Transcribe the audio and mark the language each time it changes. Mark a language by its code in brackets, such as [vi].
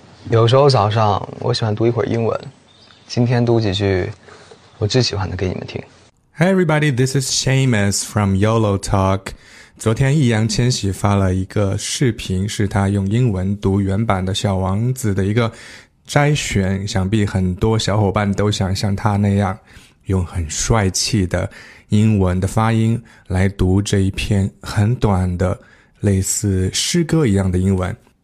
[zh] 有时候早上我喜欢读一会儿英文，今天读几句我最喜欢的给你们听。 [en] Hi everybody, this is Seamus from YOLO Talk. [zh] 昨天易烊千玺发了一个视频，是他用英文读原版的《小王子》的一个摘选，想必很多小伙伴都想像他那样，用很帅气的英文的发音来读这一篇很短的类似诗歌一样的英文。